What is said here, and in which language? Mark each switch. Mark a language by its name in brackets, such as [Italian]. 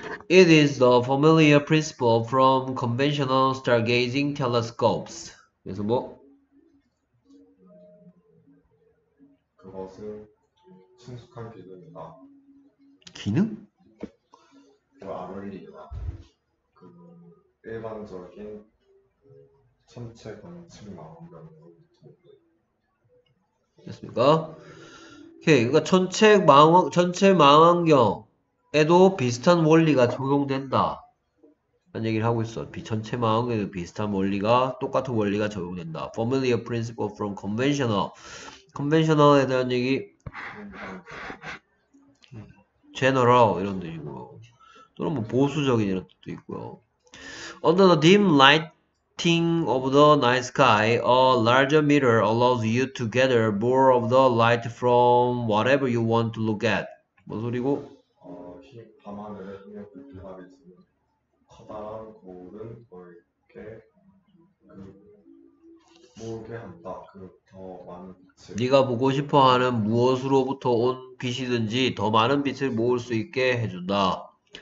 [English] It is the familiar principle from conventional stargazing telescopes. [Korean] 그래서 뭐? 그것은 친숙한 기능이다. 기능? 아무리나 그 일반적인 천체 관측 망원경으로부터 됐습니까? 오케이, 그러니까 천체 망원경에도 비슷한 원리가 적용된다. 라는 얘기를 하고 있어. 천체 망원경에도 비슷한 원리가 똑같은 원리가 적용된다. [English] Familiar principle from conventional. [Korean] conventional에 대한 얘기. general 이런 뜻이고. 또는 뭐 보수적인 이런 뜻도 있고요. [English] Under the dim lighting of the night sky, a larger mirror allows you to gather more of the light from whatever you want to look at. [Korean] 뭔 소리고? 밤하늘에 흰색 불빛이 있으면 커다란 거울은 넓게 모으게 한다. 그 더 많은 빛을 네가 보고 싶어하는 무엇으로부터 온 빛이든지 더 많은 빛을 모을 수 있게 해준다.